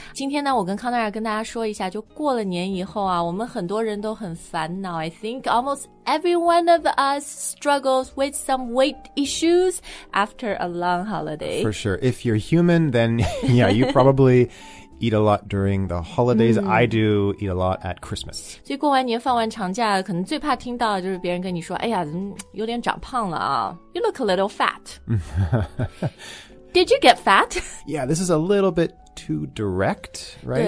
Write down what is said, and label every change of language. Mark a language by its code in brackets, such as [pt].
[zh] 今天呢，我跟 Connor 要跟大家说一下，就过了年以后啊，我们很多人都很烦恼。 [en] I think almost every one of us struggles with some weight issues after a long holiday. For sure. If you're human, then yeah, you probably eat a lot during the holidays. I do eat a lot at Christmas. [zh] 所以过完年放完长假，可能最怕听到的就是别人跟你说，哎呀，有点长胖了啊。 [en] You look a little fat. Did you get fat? Yeah, this is a little bit too direct, right?